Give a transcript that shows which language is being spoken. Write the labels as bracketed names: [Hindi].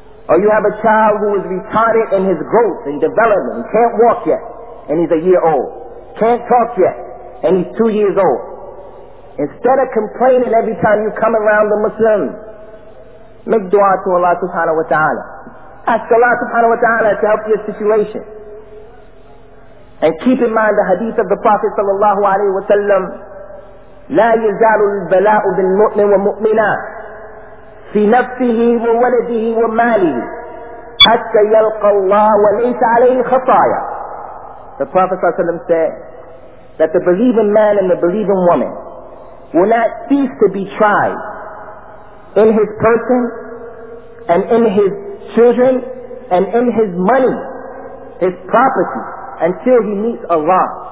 [English] Or you have a child who is retarded in his growth and development, he can't walk yet, and he's a year old. Can't talk yet, and he's 2 years old. Instead of complaining every time you come around the Muslims, make dua to Allah subhanahu wa ta'ala. Ask Allah subhanahu wa ta'ala to help your situation. And keep in mind the hadith of the Prophet sallallahu alayhi wa sallam, [Arabic] لا يزال البلاء بالمؤمن ومؤمنا في نفسه وولده وماله حتى يلقى الله وليس عليه خطايا. [English] The Prophet sallallahu alayhi wa sallam said that the believing man and the believing woman will not cease to be tried in his person and in his children and in his money, his property, until he meets Allah.